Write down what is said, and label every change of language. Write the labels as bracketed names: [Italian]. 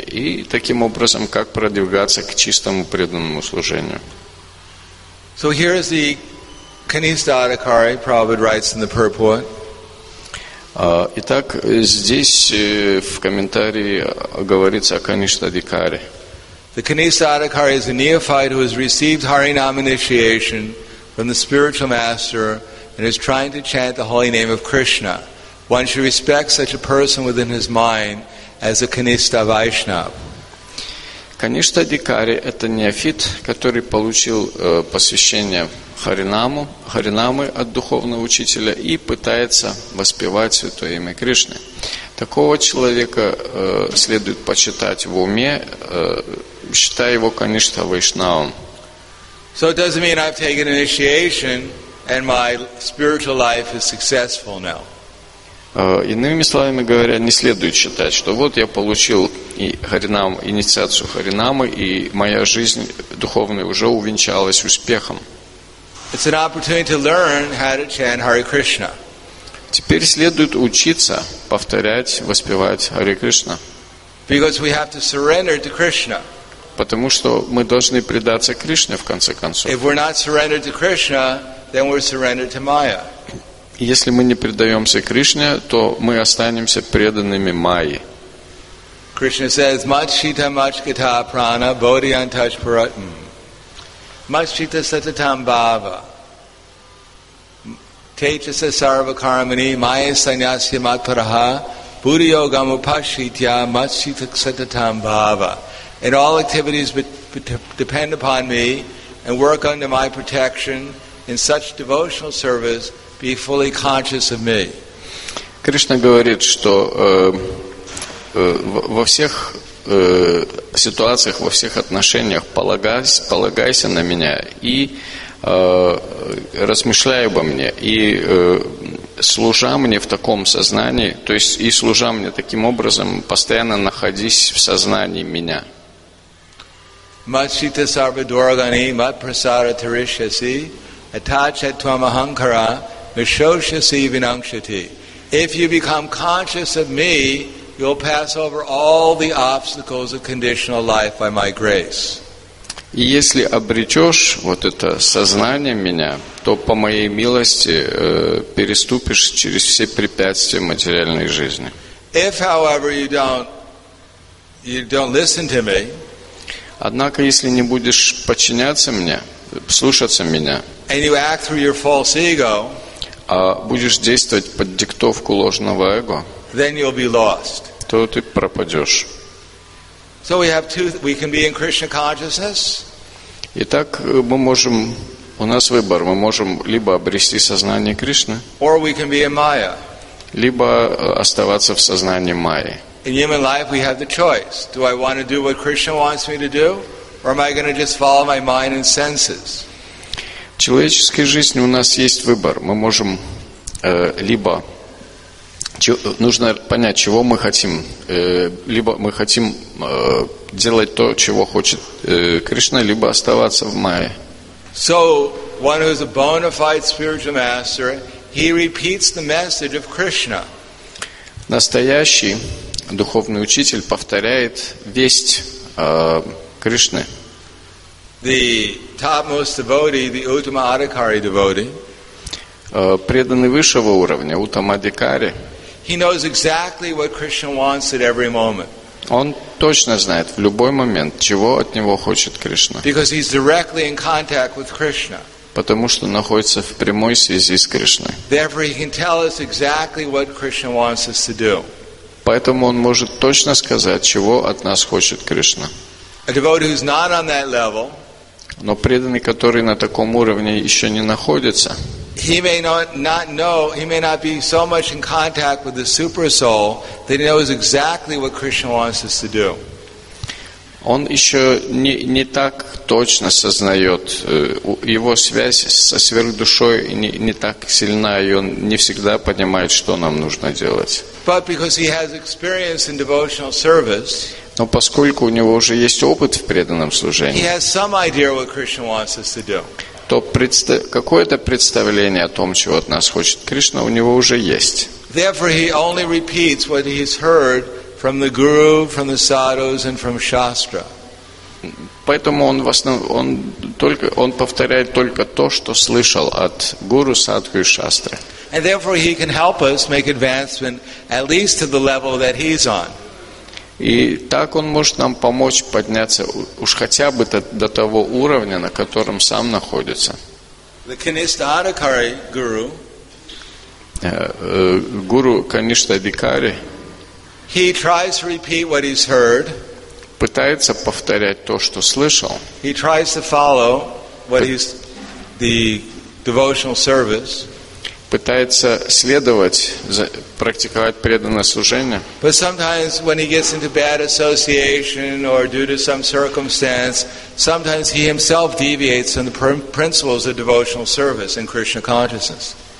[Russian] И таким образом, как продвигаться к чистому преданному служению. [English] So here is the Kanishadaka, Prabhupada writes in the purport. [Russian] Итак, здесь в комментарии говорится о Kanishadhikari. [English] The Kanishadhikari is a neophyte who has received Harinam initiation from the spiritual master and is trying to chant the holy name of Krishna. One should respect such a person within his mind as a Kanishta Vaishnav. [Russian] Kanishadhikari – это неофит, который получил посвящение Харинаму, Харинамы от духовного учителя и пытается воспевать святое имя Кришны. Такого человека следует почитать в уме, считая его, конечно, вайшнавом. [English] So it doesn't mean I've taken initiation and my spiritual life is successful now. [Russian] Иными словами говоря, не следует считать, что вот я получил инициацию Харинамы и моя жизнь духовная уже увенчалась успехом. [English] It's an opportunity to learn how to chant Hare Krishna. [Russian] Теперь следует учиться повторять, воспевать Hare Krishna. [English] Because we have to surrender to Krishna. [Russian] Потому что мы должны предаться Кришне в конце концов. [English] If we're not surrendered to Krishna, then we're surrendered to Maya. [Russian] Если мы не предаемся Кришне, то мы останемся преданными Майе. [English] Krishna says, [Sanskrit] "Machita machita prana bodhi antash paratam." Machita satatam bhava. Techasa sarvakarmani maya sanyasya matparaha buddhiyogam upashitya machita satatam bhava. [English] And all activities depend upon me and work under my protection in such devotional service, be fully conscious of me. [Russian] Кришна говорит, что во всех ситуациях, во всех отношениях полагайся на меня и размышляй обо мне и служа мне в таком сознании, то есть и служа мне таким образом, постоянно находись в сознании меня. [Sanskrit] Матшита сарвадоргани матпрасада таришаси атачатвам аханкара мишошаси винамшати. [English] If you become conscious of me, you'll pass over all the obstacles of conditional life by my grace. [Russian] Если обретешь вот это сознание меня, то по моей милости переступишь через все препятствия материальной жизни. [English] If, however, you don't listen to me, [Russian] однако, если не будешь подчиняться мне, слушаться меня, [English] and you act through your false ego, [Russian] а будешь действовать под диктовку ложного эго, [English] then you'll be lost. [Russian] То ты пропадешь. [English] So we have two. We can be in Krishna consciousness. [Russian] Итак, мы можем. У нас выбор. Мы можем либо обрести сознание Кришны, [English] or we can be in Maya. [Russian] Либо оставаться в сознании Майи. [English] In human life, we have the choice. Do I want to do what Krishna wants me to do, or am I going to just follow my mind and senses? [Russian] В человеческой жизни у нас есть выбор. Мы можем либо нужно понять, чего мы хотим. Либо мы хотим делать то, чего хочет Кришна, либо оставаться в Майе. [English] So, one who is a bona fide spiritual master, he repeats the message of Krishna. [Russian] Настоящий духовный учитель повторяет весть Кришны. [English] The topmost devotee, the Uttama Adhikari devotee, [Russian] преданный высшего уровня, Uttama Adhikari, [English] he knows exactly what Krishna wants at every moment. [Russian] Он точно знает в любой момент, чего от него хочет Кришна. [English] Because he's directly in contact with Krishna. [Russian] Потому что находится в прямой связи с Кришной. [English] Therefore, he can tell us exactly what Krishna wants us to do. [Russian] Поэтому он может точно сказать, чего от нас хочет Кришна. [English] A devotee who's not on that level, [Russian] но преданный, который на таком уровне еще не находится, [English] he may not know, he may not be so much in contact with the super soul that he knows exactly what Krishna wants us to do. [Russian] Он еще не так точно сознает, его связь со сверхдушой не так сильна, и он не всегда понимает, что нам нужно делать. [English] But because he has experience in devotional service, [Russian] но поскольку у него уже есть опыт в преданном служении, [English] he has some idea what Krishna wants us to do. [Russian] То какое-то представление о том, чего от нас хочет Кришна, у него уже есть. [English] Therefore, he only repeats what he's heard from the guru, from the sadhus, and from shastra. [Russian] Поэтому он повторяет только то, что слышал от гуру, садху и шастры. [English] And therefore, he can help us make advancement at least to the level that he's on. [Russian] И так он может нам помочь подняться уж хотя бы до того уровня, на котором сам находится. [English] The Kanishtha Adhikari guru, [Russian] guru Kanishtha Adhikari, [English] he tries to repeat what he's heard. [Russian] Пытается повторять то, что слышал. [English] He tries to follow what is the devotional service. [Russian] Пытается следовать, практиковать преданное служение. [English] But sometimes when he gets into bad association or due to some circumstance, sometimes he himself deviates from the principles of devotional service in Krishna consciousness.